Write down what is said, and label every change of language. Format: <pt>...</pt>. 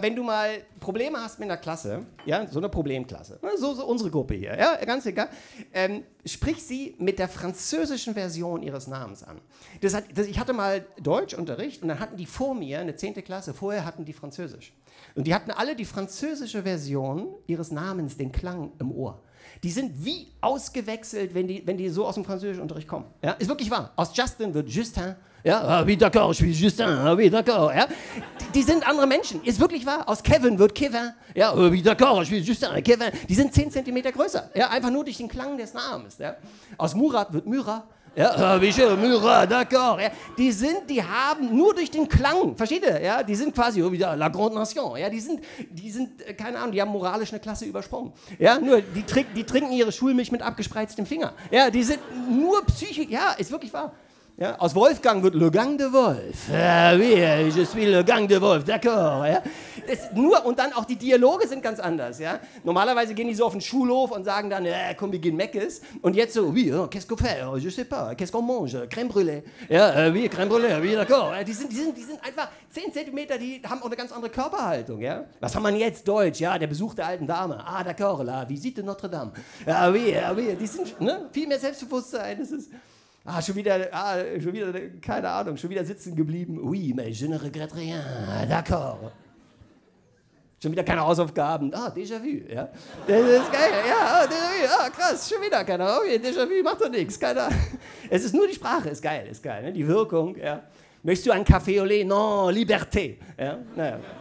<de>Wenn du mal Probleme hast mit einer Klasse, ja, so eine Problemklasse, so, so unsere Gruppe hier, ja, ganz egal, sprich sie mit der französischen Version ihres Namens an. Ich hatte mal Deutschunterricht und dann hatten die vor mir eine 10. Klasse, vorher hatten die Französisch. Und die hatten alle die französische Version ihres Namens, den Klang im Ohr. Die sind wie ausgewechselt, wenn die so aus dem französischen Unterricht kommen. Ja, ist wirklich wahr. Aus Justin wird Justin.</de> <fr>Ja, ah, oui, d'accord, je suis Justin, ah, oui, d'accord.</fr> <de>Ja, die sind andere Menschen. Ist wirklich wahr. Aus Kevin wird Kevin.</de> <fr>Ja, ah, oui, d'accord, je suis Justin, Kevin.</fr> <de>Die sind 10 cm größer. Ja, einfach nur durch den Klang des Namens. Ja. Aus Murat wird Myra. Ja, wie Myra, d'accord. Ja. Die haben nur durch den Klang, versteht ihr? Ja, die sind quasi wieder</de> <fr>la grande nation.</fr> <de>Ja, die sind keine Ahnung, die haben moralisch eine Klasse übersprungen. Ja, nur die trinken ihre Schulmilch mit abgespreiztem Finger. Ja, die sind nur psychisch. Ja, ist wirklich wahr. Ja, aus Wolfgang wird Le Gang de Wolf.</de> <fr>Oui, je suis Le Gang de Wolf, d'accord.</fr> <de>Ja. Und dann auch die Dialoge sind ganz anders. Ja. Normalerweise gehen die so auf den Schulhof und sagen dann, komm, wir gehen Meckes. Und jetzt so,</de> <fr>oui, qu'est-ce qu'on fait? Je sais pas, qu'est-ce qu'on mange? Crème brûlée. Ja, oui, crème brûlée, oui, d'accord.</fr> <de>Die sind einfach 10 cm, die haben auch eine ganz andere Körperhaltung. Ja. Was haben wir jetzt? Deutsch, ja, der Besuch der alten Dame.</de> <fr>Ah, d'accord, la visite Notre Dame.</fr> <de>Ja,</de> <fr>oui, oui,</fr> <de>die sind, ne, viel mehr Selbstbewusstsein. Das ist... Ah, schon wieder, keine Ahnung, schon wieder sitzen geblieben.</de> <fr>Oui, mais je ne regrette rien, d'accord.</fr> <de>Schon wieder keine Hausaufgaben. Ah, déjà vu, ja. Das ist geil, ja, déjà vu, ah, krass, schon wieder keine Ahnung. Déjà vu, macht doch nichts, keine Ahnung. Es ist nur die Sprache, ist geil, ne? Die Wirkung, ja. Möchtest du ein Café au lait?</de> <fr>Non, liberté,</fr> <de>ja, naja.</de>